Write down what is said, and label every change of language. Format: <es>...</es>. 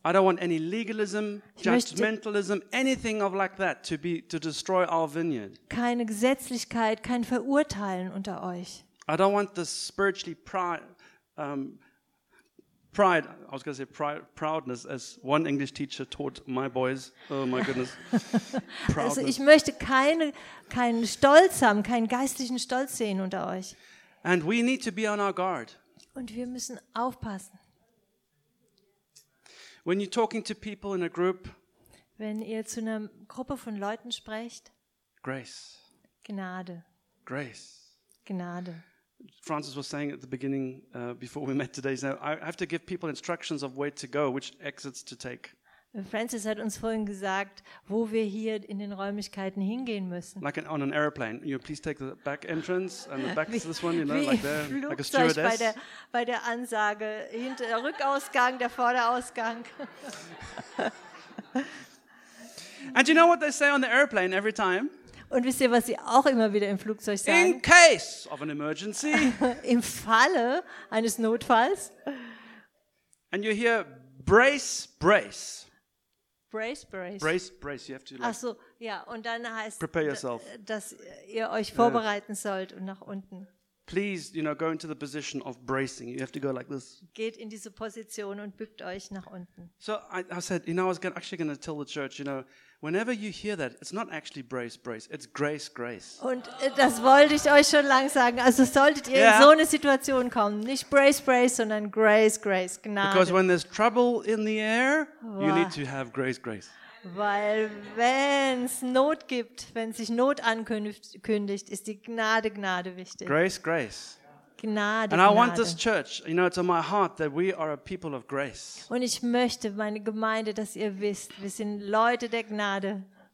<en>I don't want any legalism, judgmentalism, anything of like that to destroy our vineyard.</en> <de>Keine Gesetzlichkeit, kein Verurteilen unter euch.</de> <en>I don't want the spiritually pride, I was going to say proudness, as one English teacher taught my boys. Oh my goodness.</en> <de>Also ich möchte keinen Stolz haben, keinen geistlichen Stolz sehen unter euch.</de> <en>And we need to be on our guard.</en> <de>Und wir müssen aufpassen.</de> <en>When you're talking to people in a group,</en> <de>wenn ihr zu einer Gruppe von Leuten sprecht,</de> <en>Grace.</en> <de>Gnade.</de> <en>Grace.</en> <de>Gnade.</de> <en>Francis was saying at the beginning, before we met today, so I have to give people instructions of where to go, which exits to take.</en> <de>Francis hat uns vorhin gesagt, wo wir hier in den Räumlichkeiten hingehen müssen.</de> <en>Like on an airplane, you know, please take the back entrance and the back</en> <de>wie,</de> <en>to this one, you know, like there, like a stewardess.</en> <de>Bei der Ansage, der Rückausgang, der Vorderausgang.</de> <en>And you know what they say on the airplane every time?</en> <de>Und wisst ihr, was sie auch immer wieder im Flugzeug sagen?</de> <en>In case of an emergency.</en> <de>Im Falle eines Notfalls.</de> <en>And you hear brace, brace. Brace, brace. Brace, brace. You have to. Like,</en> <de>ach so, ja. Und dann heißt,</de> <en>prepare yourself.</en> <de>Dass ihr euch vorbereiten sollt und nach unten.</de> <en>Please, you know, go into the position of bracing. You have to go like this.</en> <de>Geht in diese Position und bückt euch nach unten.</de> <en>So I said, you know, I was actually going to tell the church, you know, whenever you hear that, it's not actually brace, brace. It's grace, grace.</en> <de>Und das wollte ich euch schon lang sagen. Also solltet ihr in so eine Situation kommen, nicht</de> <en>brace, brace,</en> <de>sondern</de> <en>grace, grace,</en> <de>Gnade.</de> <en>Because when there's trouble in the air, you need to have grace, grace.</en> <de>Weil wenn es Not gibt, wenn sich Not ankündigt, ist die Gnade, Gnade wichtig.</de> <en>Grace, grace.</en> <de>Gnade,</de> <en>and</en> <de>Gnade.</de> <en>I want this church, you know, it's in my heart that we are a people of grace.</en> <de>Und ich möchte meine Gemeinde, dass ihr wisst, wir sind Leute der Gnade.</de>